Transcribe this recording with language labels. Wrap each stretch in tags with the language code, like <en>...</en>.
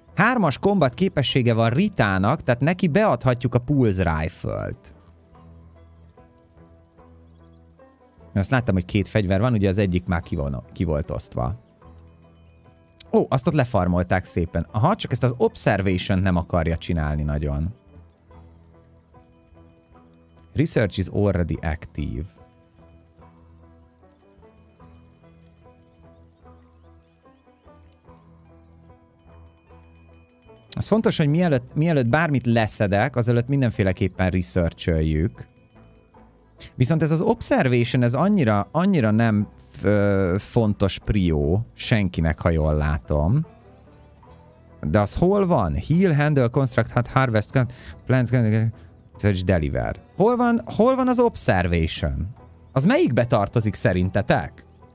<hu>Hármas kombat képessége van Ritának, tehát neki beadhatjuk a Pulse Rifle-t. Azt láttam, hogy két fegyver van, ugye az egyik már ki volt osztva. Ó, azt ott lefarmolták szépen. Aha, csak ezt az Observation nem akarja csinálni nagyon.</hu> <en>Research is already active.</en> <hu>Az fontos, hogy mielőtt bármit leszedek, azelőtt mindenféleképpen researcholjuk. Viszont ez az observation, ez annyira nem fontos prió senkinek, ha jól látom. De az hol van?</hu> <en>Heal, handle, construct, harvest, plant, search, deliver.</en> <hu>Hol van az observation? Az melyikbe tartozik szerintetek?</hu>